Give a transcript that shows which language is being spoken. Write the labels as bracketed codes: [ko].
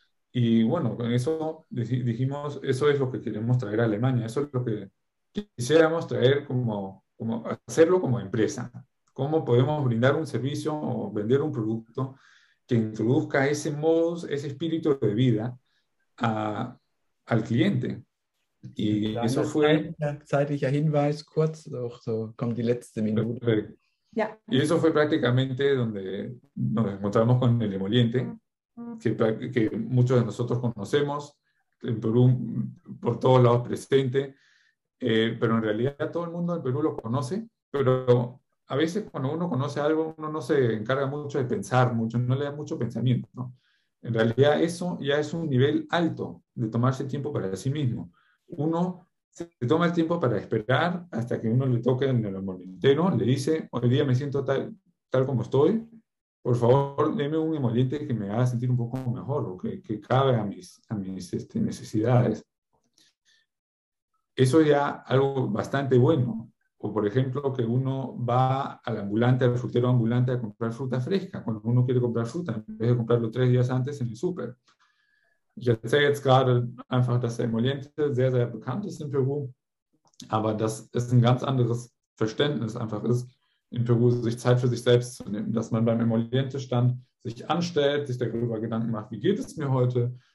[es] Y bueno, con eso dijimos, eso es lo que queremos traer a Alemania, eso es lo que quisiéramos traer, como hacerlo como empresa. ¿Cómo podemos brindar un servicio o vender un producto que introduzca ese modo, ese espíritu de vida al cliente? Y eso fue... [de] Zeitlicher Hinweis, kurz, auch so, kommt die letzte Minute. [es] Perfecto. Y eso fue prácticamente donde nos encontramos con el emoliente, que muchos de nosotros conocemos, en Perú, por todos lados presente, pero en realidad todo el mundo en Perú lo conoce, pero a veces cuando uno conoce algo, uno no se encarga mucho de pensar mucho, no le da mucho pensamiento, ¿no? En realidad eso ya es un nivel alto de tomarse tiempo para sí mismo. Uno se toma el tiempo para esperar hasta que uno le toque en el emoliente, le dice, hoy día me siento tal como estoy, por favor, deme un emoliente que me haga sentir un poco mejor o que cabe a mis necesidades. Eso ya algo bastante bueno. O por ejemplo, que uno va al ambulante, al frutero ambulante, a comprar fruta fresca, cuando uno quiere comprar fruta, en vez de comprarlo 3 días antes en el súper. [de] Ich erzähle jetzt gerade einfach, dass der Emoliente sehr, sehr bekannt ist in Peru, aber dass es ein ganz anderes Verständnis einfach ist, in Peru sich Zeit für sich selbst zu nehmen, dass man beim Emoliente-Stand sich anstellt, sich darüber Gedanken macht, wie geht es mir heute,